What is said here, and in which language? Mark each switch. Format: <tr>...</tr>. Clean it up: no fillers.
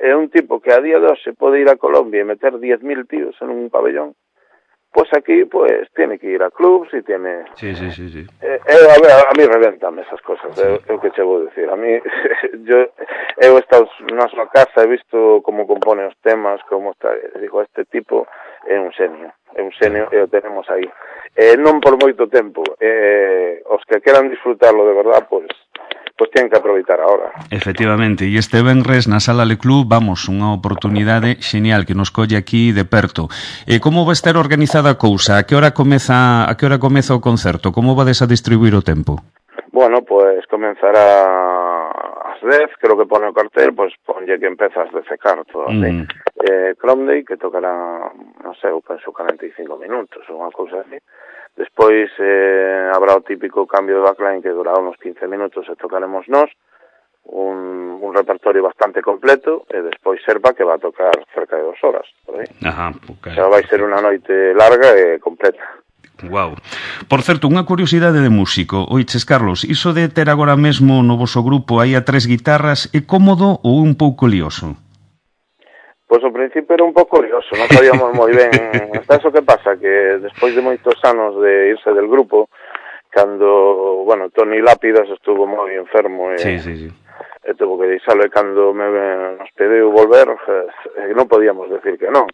<gl>É un tipo que a día de hoxe pode ir a Colombia e meter 10.000 tíos en un pabellón.</gl> <es>Pues aquí, pues, tiene que ir a clubs y tiene... Sí, sí, sí, sí. A mí reventame esas cosas, sí. Es lo que te voy a decir. A mí, yo he estado en una sola casa, he visto cómo compone los temas, cómo está... Digo, este tipo es un genio. Es un genio que lo tenemos ahí. No por mucho tiempo. Os que quieran disfrutarlo de verdad, pues... Pues tienen que aproveitar ahora.</es> <gl>Efectivamente, y este venres na sala Le Club, vamos, unha oportunidade xenial que nos colle aquí de perto. Como va a estar organizada a cousa? A que hora comeza o concerto? Como vades a distribuir o tempo? Bueno, pues comenzará ás 10, creo que pone o cartel, pues ponlle que empezas de secar todo. Cromley, que tocará,</gl> <es>no sé,</es> <gl>penso 45 minutos, unha cousa así. Despois habrá o típico cambio de backline que durará unos 15 minutos e tocaremos nos, un repertorio bastante completo, e despois Sherpa que va a tocar cerca de 2 horas. Ajá, okay. Xa vai ser unha noite larga e completa. Wow. Por certo, unha curiosidade de músico. Oiches, Carlos, iso de ter agora mesmo no voso grupo aí a 3 guitarras, é cómodo ou un pouco lioso?</gl> <es>Pues al principio era un poco curioso, no sabíamos muy bien. Hasta eso que pasa, que después de muchos años de irse del grupo, cuando, bueno, Tony Lápidas estuvo muy enfermo y, sí, sí, sí. Y tuvo que irse, cuando nos pidió volver, no podíamos decir que no.</es>